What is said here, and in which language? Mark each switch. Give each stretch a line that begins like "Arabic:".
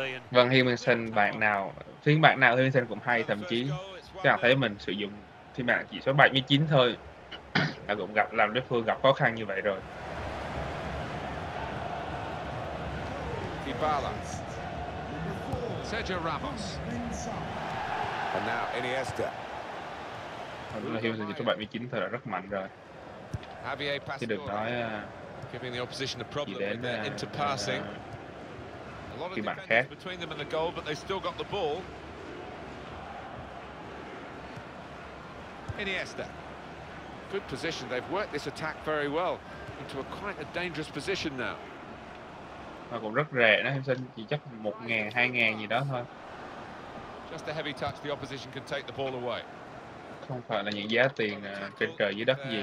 Vietnamese: Vâng, Heung-min Sun bạn nào, phiên bản nào Heung-min Sun cũng hay, thậm chí các bạn thấy mình sử dụng thì mà chỉ số 79 thôi là cũng gặp làm đối phương gặp khó khăn như vậy rồi.
English: Dybala. Sergio Ramos. And now Iniesta.
Vietnamese: Đúng là Hiếu chỉ số 79 thôi là rất mạnh rồi. Javier Pastore. Thì được nói
English: giving the opposition a problem with their interpassing. A lot of defense between them and the goal, but they still got the ball. Iniesta. Good position. They've worked this attack very well into a quite a dangerous position now.
Vietnamese: Mà cũng rất rẻ đó, em xin chỉ chắc 1.000, 2.000 gì đó thôi.
English: Just a heavy touch, the opposition can take the ball away.
Vietnamese: Không phải là những giá tiền trên trời dưới đất gì.